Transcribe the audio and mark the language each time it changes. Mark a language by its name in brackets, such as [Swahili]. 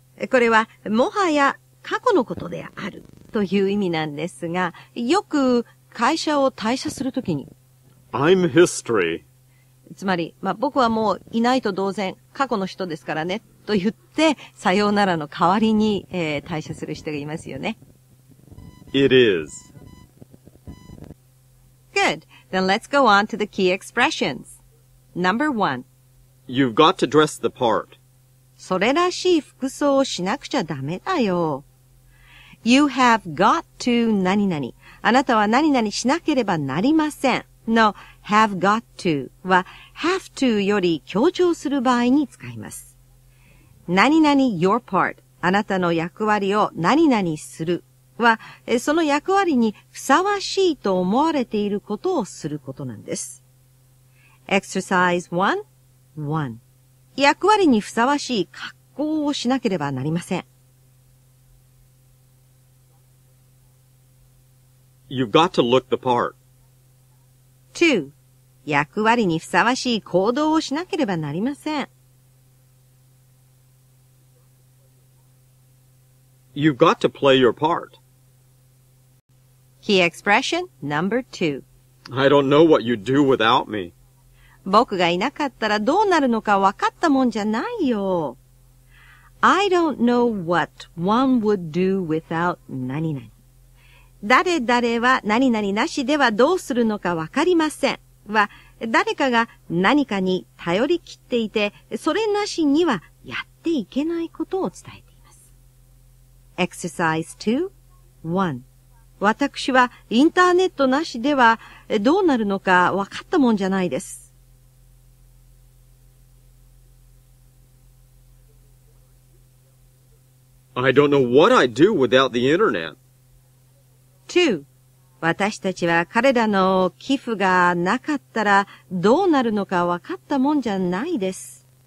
[Japanese] これはもはや過去のことであるという意味なんですが、よく会社を退社するときに、 [English] I'm history. [Japanese] つまり、まあ、僕はもういないと同然、過去の人ですからね、と言って、さようならの代わりに、退社する人がいますよね。 [English] It is. Good. Then let's go on to the key expressions. Number one. You've got to dress the part. [Japanese] それらしい服装をしなくちゃダメだよ。 [English] You have got to 何々。 [Japanese] あなたは何々しなければなりません。の、 have got to は、 have to より強調する場合に使います。何々 your part、あなたの役割を何々するは、その役割にふさわしいと思われていることをすることなんです。 Exercise 1.1 役割にふさわしい格好をしなければなりません。 [English] You've got to look the part. 2. [Japanese] 役割にふさわしい行動をしなければなりません。 [English] You've got to play your part. Key expression number 2. I don't know what you'd do without me. [Japanese] 僕がいなかったらどうなるのか分かったもんじゃないよ。 [English] I don't know what one would do without 何々。 [Japanese] 誰々は何々なしではどうするのかわかりませんは、誰かが何かに頼り切っていて、それなしにはやっていけないことを伝えています。 Exercise 2.1 私はインターネットなしではどうなるのかわかったもんじゃないです。 [English] I don't know what I'd do without the internet. 2. [Japanese] 私たちは彼らの寄付がなかったらどうなるのか分かったもんじゃないです。